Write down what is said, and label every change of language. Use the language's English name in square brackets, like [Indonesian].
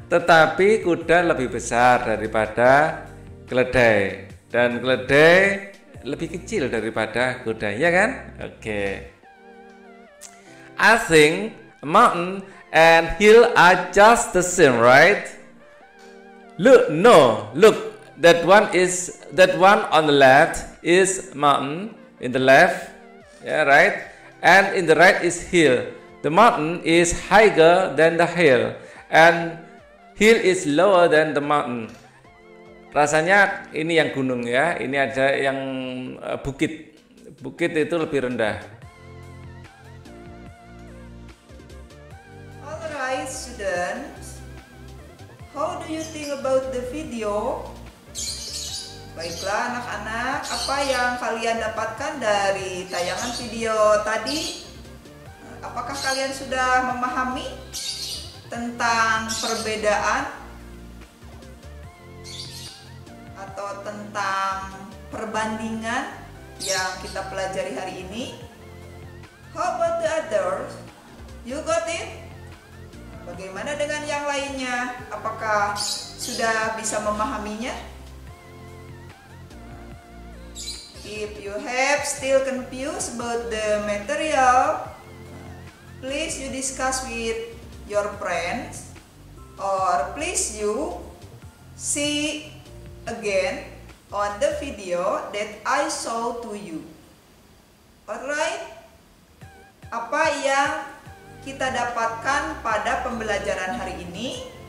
[Indonesian] Tetapi kuda lebih besar daripada keledai, dan keledai lebih kecil daripada kuda, ya kan? Oke. [English] Okay. I think mountain and hill are just the same, right? Look, no. Look, that one on the left is mountain, in the left, yeah, right? And in the right is hill. The mountain is higher than the hill, and hill is lower than the mountain. [Indonesian] Rasanya ini yang gunung ya, ini ada yang bukit. Bukit itu lebih rendah. [English] Alright students, how do you think about the video? [Indonesian] Baiklah anak-anak, apa yang kalian dapatkan dari tayangan video tadi? Apakah kalian sudah memahami tentang perbedaan atau tentang perbandingan yang kita pelajari hari ini? [English] How about the others? You got it? Bagaimana dengan yang lainnya? [Indonesian] Apakah sudah bisa memahaminya? [English] If you have still confused about the material, please you discuss with your friends, or please you see again on the video that I show to you. Alright? [Indonesian] Apa yang kita dapatkan pada pembelajaran hari ini?